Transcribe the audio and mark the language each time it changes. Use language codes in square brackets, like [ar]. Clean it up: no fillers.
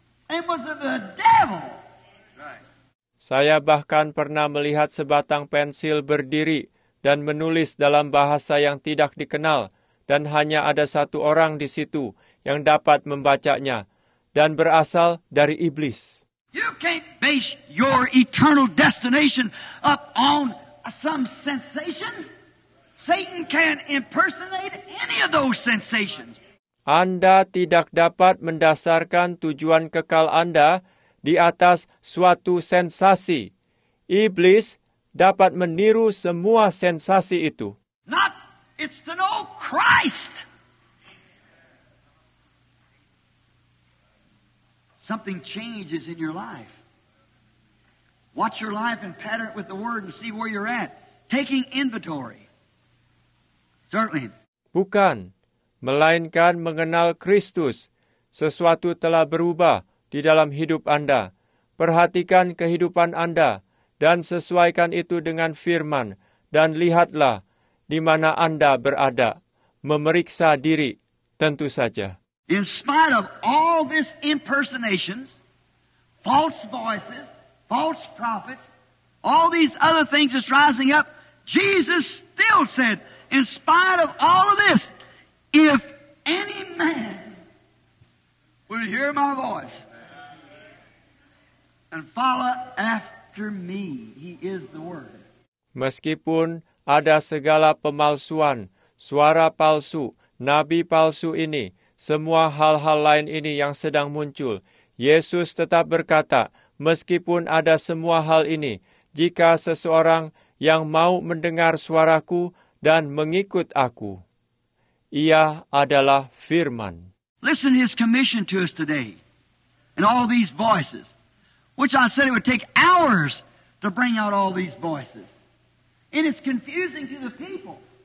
[en] It was the devil. [id] Saya bahkan pernah melihat sebatang pensil berdiri dan menulis dalam bahasa yang tidak dikenal, dan hanya ada satu orang di situ yang dapat membacanya, dan berasal dari iblis. [en] You can't base your eternal destination up on some sensation. Satan can impersonate any of those sensations. [id] Anda tidak dapat mendasarkan tujuan kekal Anda di atas suatu sensasi. Iblis dapat meniru semua sensasi itu. [en] Not, it's to know Christ. Something changes in your life. Watch your life and pattern it with the word and see where you're at. Taking inventory. Certainly. [id] Bukan, melainkan mengenal Kristus. Sesuatu telah berubah di dalam hidup Anda. Perhatikan kehidupan Anda dan sesuaikan itu dengan firman, dan lihatlah di mana Anda berada. Memeriksa diri, tentu saja. [en] In spite of all this impersonations, false voices, false prophets, all these other things that's rising up, Jesus still said, in spite of all of this, if any man will hear my voice and follow after me. He is the Word. [id] Meskipun ada segala pemalsuan, suara palsu, nabi palsu ini, semua hal-hal lain ini yang sedang muncul, Yesus tetap berkata, meskipun ada semua hal ini, jika seseorang yang mau mendengar suaraku dan mengikut aku, ia adalah Firman. [en] Listen to his commission to us today, and all these voices, which I said it would take hours to bring out all these voices. And it's confusing to the people.